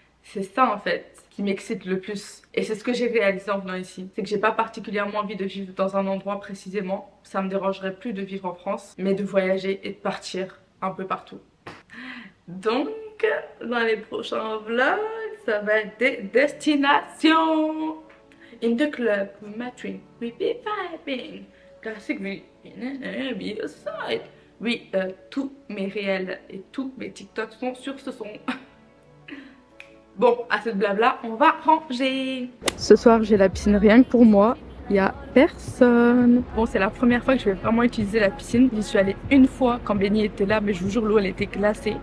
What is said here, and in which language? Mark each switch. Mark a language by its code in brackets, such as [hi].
[fr] C'est ça, en fait, qui m'excite le plus. Et c'est ce que j'ai réalisé en venant ici. C'est que j'ai pas particulièrement envie de vivre dans un endroit précisément. Ça me dérangerait plus de vivre en France, mais de voyager et de partir un peu partout. Donc, dans les prochains vlogs, ça va être des destinations. [en] in the club, my dream, we be vibing. Classic me, in the side. [fr] Oui, tous mes réels et tous mes TikTok sont sur ce son. Bon, à cette blabla, on va ranger. Ce soir, j'ai la piscine rien que pour moi. Il y a personne. Bon, c'est la première fois que je vais vraiment utiliser la piscine. J'y suis allée une fois quand Benny était là, mais je vous jure, l'eau, elle était glacée.